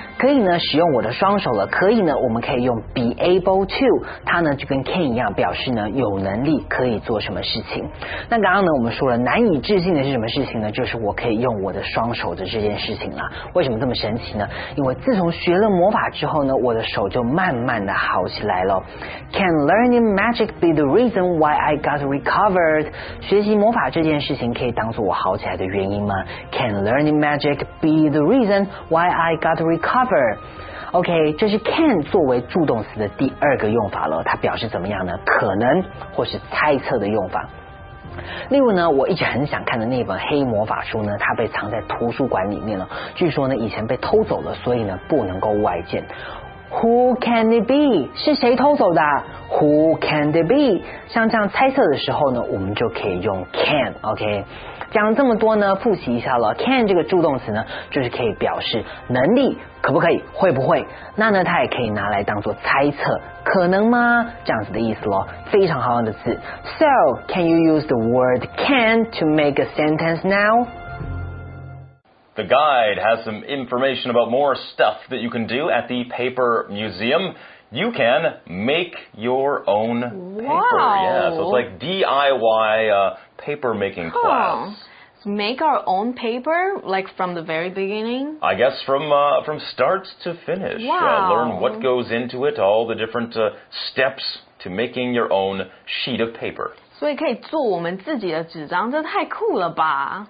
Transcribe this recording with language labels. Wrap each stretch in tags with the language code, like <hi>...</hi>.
<zh>可以呢使用我的双手了。可以呢我们可以用 be able to， 它呢就跟 can 一样，表示呢有能力可以做什么事情。那刚刚呢我们说了难以置信的是什么事情呢？就是我可以用我的双手的这件事情了。为什么这么神奇呢？因为自从学了魔法之后呢，我的手就慢慢的好起来了。</zh> <en>Can learning magic be the reason why I got recovered?</en> <zh>学习魔法这件事情可以当作我好起来的原因吗？</zh> <en>Can learningMagic be the reason why I got recover.</en> <zh>OK， 这是 can 作为助动词的第二个用法了，它表示怎么样呢？可能或是猜测的用法。例如呢，我一直很想看的那本黑魔法书呢，它被藏在图书馆里面了，据说呢以前被偷走了，所以呢不能够外见。</zh> <en>Who can it be?</en> <zh>是谁偷走的？Who can it be? 像这样猜测的时候呢，我们就可以用 can。 OK，讲了这么多呢，复习一下了。Can 这个助动词呢，就是可以表示能力，可不可以，会不会。那呢，它也可以拿来当做猜测，可能吗，这样子的意思咯，非常好用的词。</zh> <en>So, can you use the word can to make a sentence now? The guide has some information about more stuff that you can do at the paper museum. You can make your own paper. Wow. Yeah, so it's like DIY, paper making class. So make our own paper, like from the very beginning? I guess from start to finish. Wow. Learn what goes into it, all the different, steps to making your own sheet of paper.</en> <zh>所以可以做我们自己的纸张，这太酷了吧。</zh>